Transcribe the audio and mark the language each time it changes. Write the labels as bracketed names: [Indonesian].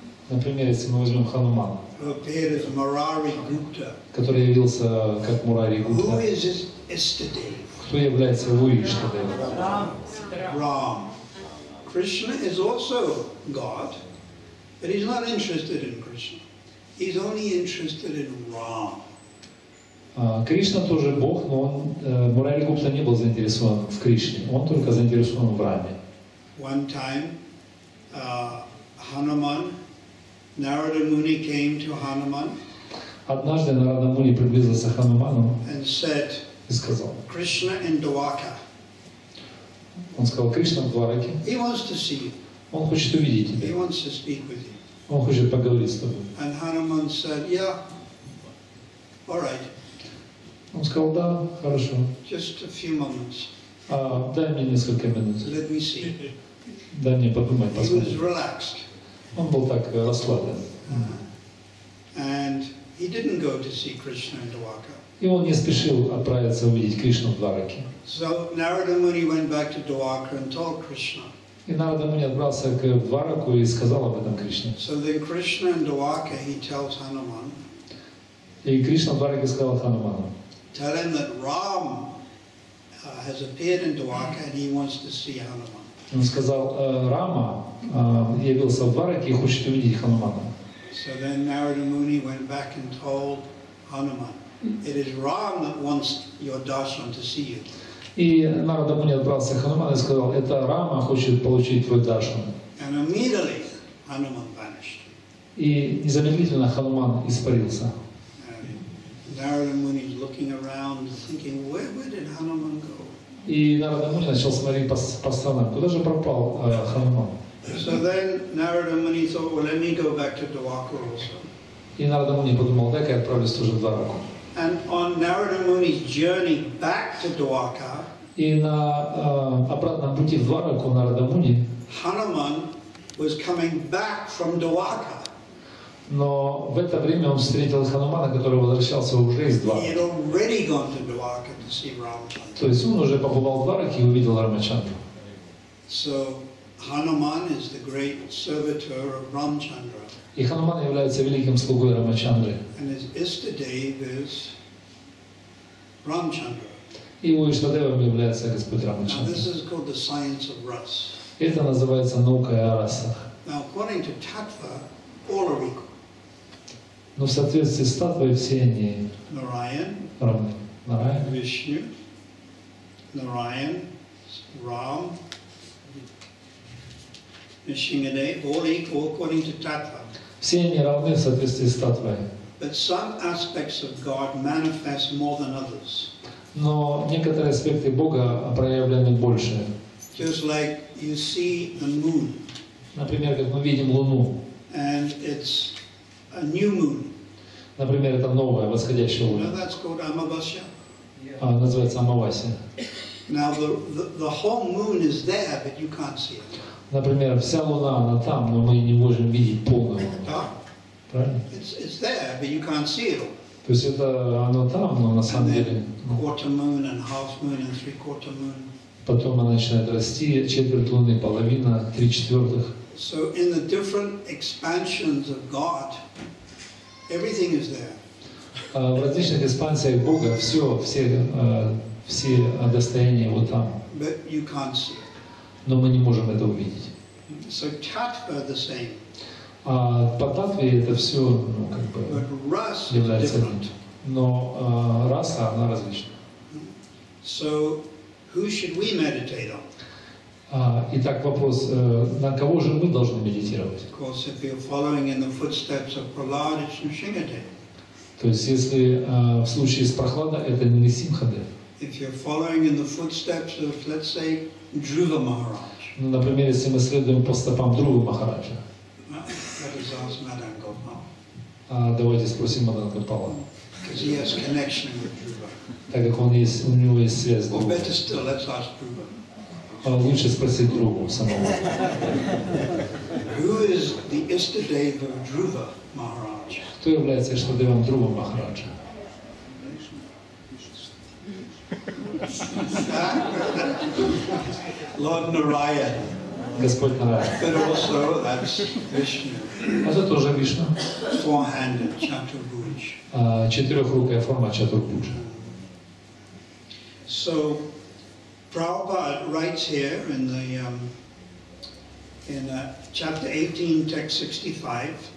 [Russian] Например, если мы возьмем Ханумана, который явился как Мурари Гупта, кто является его Иштадевом? Рам. [English] Кришна is also God, but he's not interested in Krishna. He's only interested in Ram. [Russian] Кришна тоже Бог, но он Мурари Гупта не был заинтересован в Кришне. Он только заинтересован в Раме. [English] One time, Hanuman. Narada Muni came to Hanuman. [Russian] Однажды Нарада Муни приблизился к Хануману. [English] And said, Krishna in Dwarka. [Russian] Он сказал, Кришна в Двараке. [English] He wants to see you. [Russian] Он хочет увидеть тебя. [English] He wants to speak with you. [Russian] Он хочет поговорить с тобой. [English] And Hanuman said, yeah, all right. [Russian] Он сказал, да, хорошо. [English] Just a few moments. [Russian] Дай мне несколько минут. [English] Let me see. [Russian] Дай мне подумать, посмотреть. [English] He was relaxed. [Russian] Он был так расслаблен. [English] And he didn't go to see Krishna in Dwarka. [Russian] И он не спешил отправиться увидеть Кришну в Двараке. [English] So Narada Muni went back to Dwarka and told Krishna. [Russian] И Нарада Муни отправился к Двараку и сказал об этом Кришне. [English] So then Krishna in Dwarka he tells Hanuman. [Russian] И Кришна в Двараке сказал Хануману. [English] Tell him that Ram has appeared in Dwarka and he wants to see Hanuman. [Russian] Он сказал, Рама явился в Двараке и хочет увидеть Ханумана. [English] So then Narada Muni went back and told Hanuman, it is Ram that wants your darshan to see you. [Russian] И Нарада Муни отправился к Хануману и сказал, это Рама хочет получить твой даршан. [English] And immediately Hanuman vanished. [Russian] И незамедлительно Хануман испарился. [English] Narada Muni is looking around thinking, where did Hanuman go? [Russian] И Нарада Муни начал смотреть по сторонам. Куда же пропал Хануман? [English] So then Narada Muni thought, well, let me go back to Dwarka also. [Russian] И Нарада Муни подумал, дай-ка я отправлюсь тоже в Двараку. [English] And on Narada Muni's journey back to Dwarka. [Russian] И на обратном пути в Двараку Нарада Муни. [English] Hanuman was coming back from Dwarka. [Russian] Но в это время он встретил Ханумана, который возвращался уже из Двараки. То есть он уже побывал в Двараке и увидел Рамачандру. [English] So, Hanuman is the great servitor of Ramchandra. [Russian] И Хануман является великим слугой Рамачандры. [English] And his Ishtadev is Ramchandra. [Russian] И его Иштадевом является Господь Рамачандра. [English] This is called the science of Ras. [Russian] Это называется наука о расах. [English] Now, according to Tattva, all are equal. [Russian] Но в соответствии с татвой все они равны. Вишну, Нараян, Рам, Нисхингадев, [English] all equal according to [Russian] татва. Все они равны в соответствии с татвой. [English] But some aspects of God manifest more than others. [Russian] Но некоторые аспекты Бога проявлены больше. [English] Just like you see the moon. [Russian] Например, как мы видим луну. [English] And it's a new moon. [Russian] Например, это новая восходящая луна. [English] Now that's called Amavasya. [Russian] Yeah. Называется Амавасия. [English] Now the whole moon is there, but you can't see it. [Russian] Например, вся луна, она там, но мы не можем видеть полную луну. [English] It's there, but you can't see it all. [Russian] То есть это оно там, но на самом деле. [English] Quarter moon and half moon and three quarter moon. [Russian] Потом она начинает расти, четверть луны, половина, три четвертых. [English] So in the different expansions of God, everything is there. [Russian] В различных экспансиях Бога все, все достояния вот там. [English] But you can't see. [Russian] Но мы не можем это увидеть. [English] So tattva the same. [Russian] А по татве это все, ну, как бы, [English] but rasa [Russian] является [English] different. [Russian] Но раса, она различна. [English] So who should we meditate on? [Russian] Итак, вопрос, на кого же мы должны медитировать? [English] Of course, if you're following in the footsteps of Prahlad, it's Nrisimhadev. [Russian] То есть, если в случае с Прохлада, это Нрисимхадев. [English] If you're following in the footsteps of, let's say, Dhruva Maharaj. [Russian] Ну, например, если мы следуем по стопам Дхрувы Махараджа. [English] Let us ask Madan Gopal. [Russian] Давайте спросим Мадан Гопала. [English] Because he has connection with Dhruva. [Russian] Так как он есть, у него есть связь с Дхрувой. [English] Or better still, let's ask Dhruva. [Russian] Лучше спросить другого самого. [English] Who is the Ishtadeva of Dhruva Maharaj? [Russian] Кто является Ishtadevom Dhruva Maharaja? [English] Lord Narayan. [Russian] Господь Нараян. [English] But also that's Vishnu. [Russian] Это тоже Вишна. [English] Four-handed Chaturbhuj. [Russian] Четырехрукая форма Чатурбхуж. [English] So Prabhupada writes here in the chapter 18, text 65.